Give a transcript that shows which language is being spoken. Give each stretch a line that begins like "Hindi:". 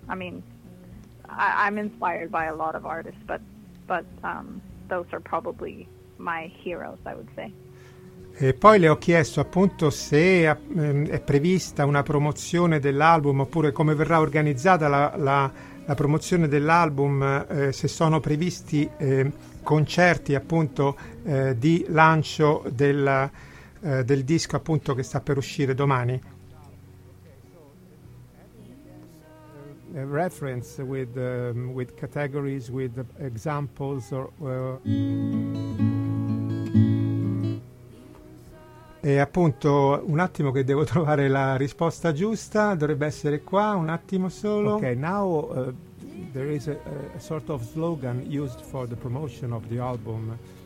English: I mean, I'm inspired by a lot of artists, but those are probably my heroes, I would say.
Italian: E poi le ho chiesto appunto se è prevista una promozione dell'album, oppure come verrà organizzata la promozione dell'album, se sono previsti concerti appunto di lancio del disco appunto che sta per uscire domani.
English: A reference with categories, with examples or
Italian: E appunto, un attimo che devo trovare la risposta giusta, dovrebbe essere qua, un attimo solo.
English: Okay, now there is a sort of slogan used for the promotion of the album.